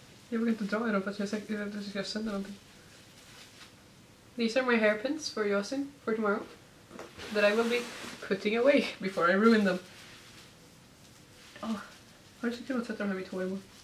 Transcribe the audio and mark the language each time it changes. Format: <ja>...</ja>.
<sv>Jag vill inte dra i dem för att jag säkert att jag ska sända någonting.</sv> <en>These are my hairpins for Yosin for tomorrow. That I will be putting away before I ruin them.</en> <sv>Oh, har du sett till att sätta dem här vid två emot?</sv>